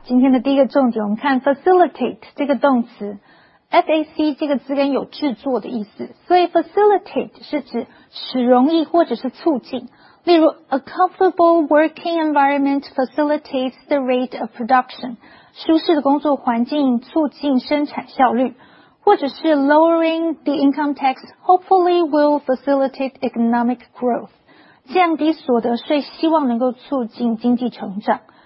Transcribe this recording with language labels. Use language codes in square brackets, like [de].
[zh] 今天的第一个重点我们看 facilitate 这个动词。 FAC 这个字根有制作的意思。所以 facilitate 是指使容易或者是促进。例如 [en] ,a comfortable working environment facilitates the rate of production. [zh] 舒适的工作环境促进生产效率。或者是 [en] lowering the income tax hopefully will facilitate economic growth. [zh] 降低所得税希望能够促进经济成长。